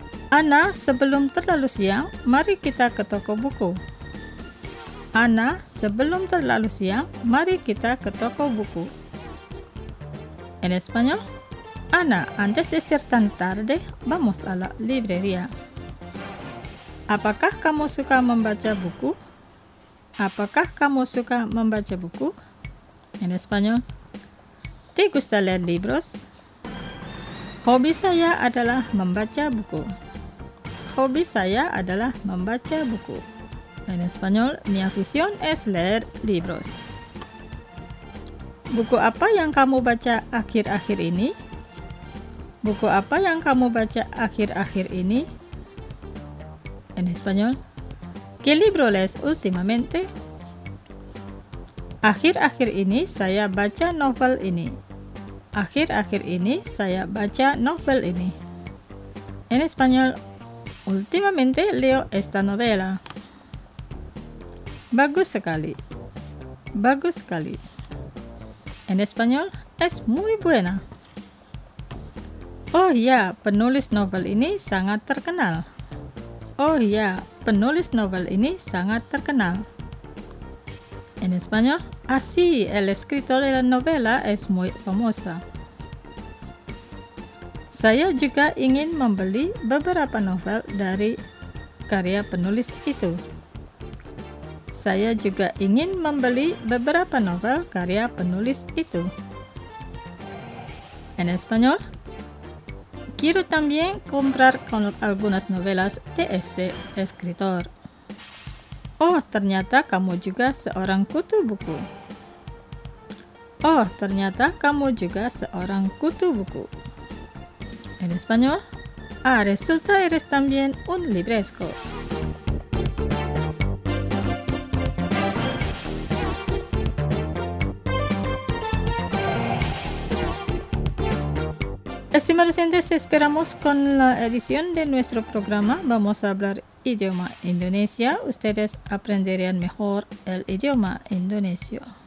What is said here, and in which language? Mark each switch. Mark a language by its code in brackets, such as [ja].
[id] Ana, sebelum terlalu siang, mari kita ke toko buku. Ana, sebelum terlalu siang, mari kita ke toko buku. [es] En español, Ana, antes de ser tan tarde, vamos a la librería. [id] Apakah kamu suka membaca buku? Apakah kamu suka membaca buku? [es] En español, ¿te gusta leer libros? [id] Hobi saya adalah membaca buku. Hobi saya adalah membaca buku. [es] En español, mi afición es leer libros. [id] Buku apa yang kamu baca akhir-akhir ini? Buku apa yang kamu baca akhir-akhir ini? [es] En español, ¿qué libro lees últimamente? [id] Akhir-akhir ini saya baca novel ini. Akhir-akhir ini saya baca novel ini. [es] En español, últimamente leo esta novela. [id] Bagus sekali. Bagus sekali. [es] En español, es muy buena. [id] Oh ya, penulis novel ini sangat terkenal. Oh ya, penulis novel ini sangat terkenal. [es] En español, así, el escritor de la novela es muy famosa. [id] Saya juga ingin membeli beberapa novel dari karya penulis itu. Saya juga ingin membeli beberapa novel karya penulis itu. [es] En español, quiero también comprar con algunas novelas de este escritor. [id] Oh, ternyata kamu juga seorang kutu buku. Oh, ternyata kamu juga seorang kutu buku. [es] En español, ah, resulta eres también un libresco. Estimados oyentes, esperamos con la edición de nuestro programa Vamos a hablar idioma indonesia, ustedes aprenderían mejor el idioma indonesio.